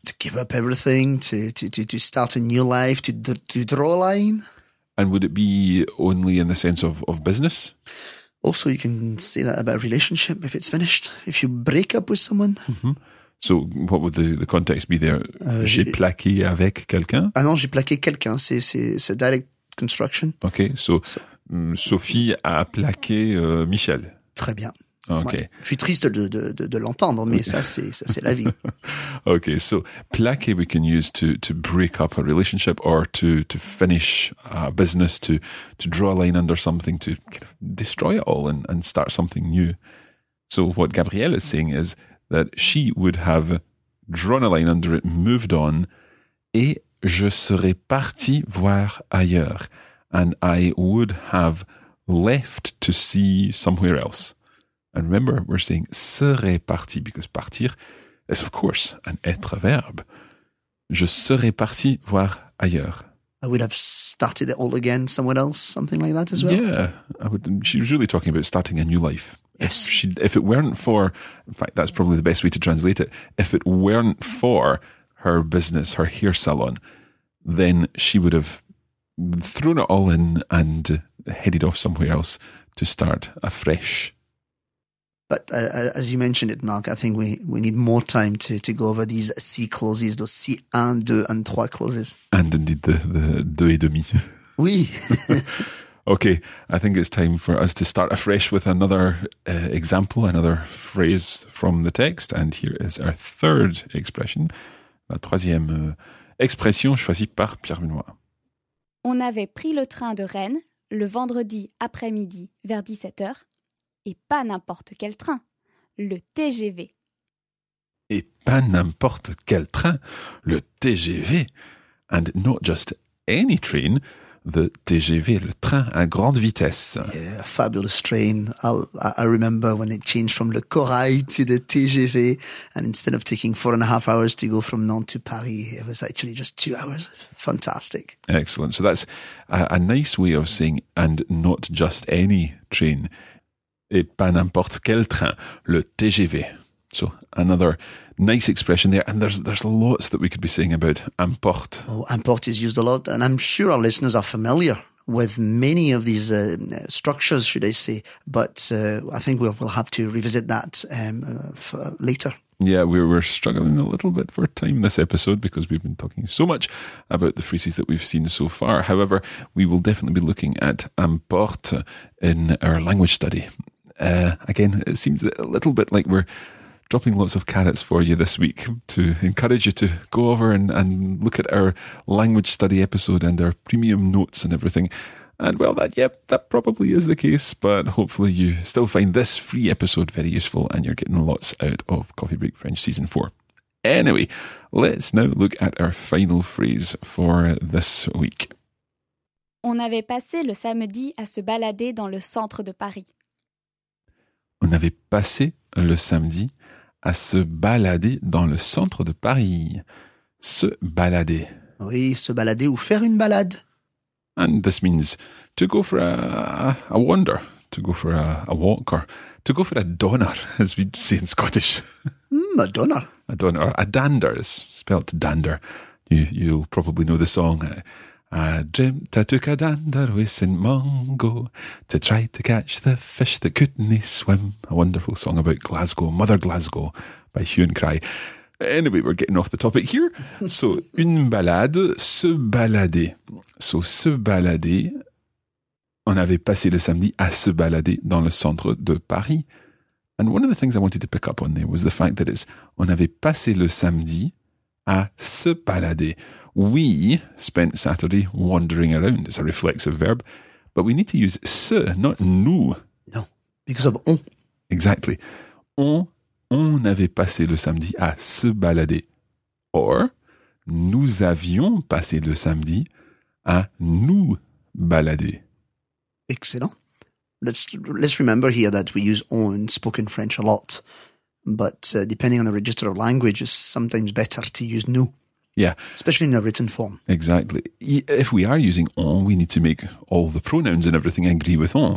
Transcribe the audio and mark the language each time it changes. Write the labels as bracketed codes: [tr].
[en] to give up everything, to start a new life, to draw a line. And would it be only in the sense of business? Also, you can say that about a relationship if it's finished. If you break up with someone. Mm-hmm. So what would the context be there? [fr] J'ai plaqué avec quelqu'un? Ah non, j'ai plaqué quelqu'un. [en] C'est a direct construction. Okay, so [fr] Sophie a plaqué Michel. Très bien. Ok. Ouais. Je suis triste de l'entendre, mais okay. ça c'est la vie. Ok. [en] So plaqué, we can use to break up a relationship or to finish a business, to draw a line under something, to destroy it all and start something new. So what Gabrielle is saying is that she would have drawn a line under it, moved on, [fr] et je serais parti voir ailleurs, [en] and I would have left to see somewhere else. And remember, we're saying serais parti, because partir is, of course, an être verb. [fr] Je serais parti voir ailleurs. [en] I would have started it all again somewhere else, something like that as well. Yeah, she was really talking about starting a new life. Yes. If it weren't for, in fact, that's probably the best way to translate it, if it weren't for her business, her hair salon, then she would have thrown it all in and headed off somewhere else to start afresh. But as you mentioned it, Mark, I think we need more time to go over these C clauses, those C, un, deux, and trois clauses. And indeed the deux et demi. [fr] Oui. [en] Okay, I think it's time for us to start afresh with another example, another phrase from the text. And here is our third expression, [fr] la troisième expression choisie par Pierre Benoît. On avait pris le train de Rennes le vendredi après-midi vers 17h, et pas n'importe quel train, le TGV. Et pas n'importe quel train, le TGV, [en] and not just any train, the TGV, [fr] le train à grande vitesse. [en] Yeah, a fabulous train. I remember when it changed from le corail to the TGV, and instead of taking 4.5 hours to go from Nantes to Paris, it was actually just 2 hours. Fantastic. Excellent. So that's a nice way of saying, and not just any train. [fr] Et pas n'importe quel train, le TGV. [en] So another nice expression there, and there's lots that we could be saying about importe. Oh, importe is used a lot, and I'm sure our listeners are familiar with many of these structures, should I say, but I think we'll have to revisit that for later. Yeah, we're struggling a little bit for time this episode because we've been talking so much about the phrases that we've seen so far. However, we will definitely be looking at importe in our language study. Again, it seems a little bit like we're dropping lots of carrots for you this week to encourage you to go over and look at our language study episode and our premium notes and everything. And well, that probably is the case, but hopefully you still find this free episode very useful and you're getting lots out of Coffee Break French Season 4. Anyway, let's now look at our final phrase for this week. [fr] On avait passé le samedi à se balader dans le centre de Paris. On avait passé le samedi à se balader dans le centre de Paris. Se balader. Oui, se balader ou faire une balade. [en] And this means to go for a wander, to go for a walk, or to go for a donner, as we say in Scottish. A donner. A donner, or a dander, it's spelt dander. You'll probably know the song. I dreamt I took a dander with St. Mungo to try to catch the fish that couldn't swim. A wonderful song about Glasgow, Mother Glasgow, by Hugh and Cry. Anyway, we're getting off the topic here. [fr] So, une balade, se balader. So, se balader, on avait passé le samedi à se balader dans le centre de Paris. [en] And one of the things I wanted to pick up on there was the fact that it's [fr] on avait passé le samedi à se balader. [en] We spent Saturday wandering around. It's a reflexive verb. But we need to use se, not nous. No, because of on. Exactly. [fr] On avait passé le samedi à se balader. Or, nous avions passé le samedi à nous balader. [en] Excellent. Let's remember here that we use on in spoken French a lot. But depending on the register of language, it's sometimes better to use nous. Yeah. Especially in a written form. Exactly. If we are using on, we need to make all the pronouns and everything agree with on.